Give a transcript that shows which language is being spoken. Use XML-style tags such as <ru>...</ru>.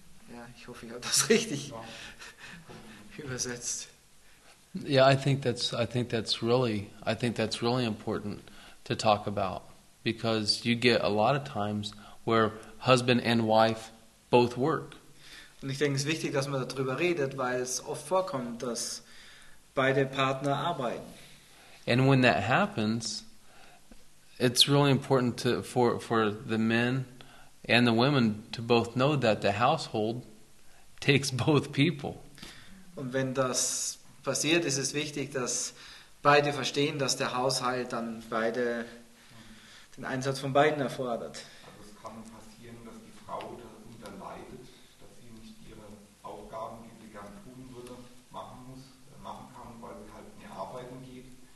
<de>Yeah, ich hoffe, ich habe das richtig übersetzt.</de> <en>Yeah, I think that's really important to talk about, because you get a lot of times where husband and wife both work.</en> <de>Und ich denke, es ist wichtig, dass man darüber redet, weil es oft vorkommt, dass beide Partner arbeiten.</de> <en>And when that happens, it's really important to for the men and the women to both know that the household takes both people.</en> <de>Und wenn das passiert, ist es wichtig, dass beide verstehen, dass der Haushalt dann beide den Einsatz von beiden erfordert. Also es kann passieren, dass die Frau darunter leidet, dass sie nicht ihre Aufgaben, die sie gern tun würde, machen kann, weil sie halt mehr arbeiten geht.</de>